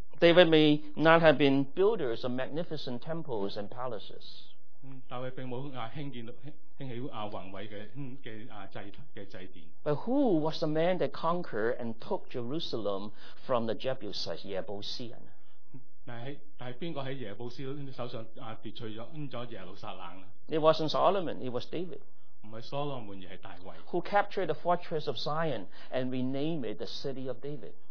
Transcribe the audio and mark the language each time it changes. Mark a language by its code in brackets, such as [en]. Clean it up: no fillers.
[en] David may not have been builders of magnificent temples and palaces. [yue] 大卫并冇兴起宏伟嘅祭殿。 [en] But who was the man that conquered and took Jerusalem from the Jebusites, Jebusian? [yue] 但系边个喺耶布斯手上夺取咗耶路撒冷 [en] ？It wasn't Solomon, it was David. [yue] 唔系所罗门，而系大卫。 [en] Who captured the fortress of Zion and renamed it the city of David?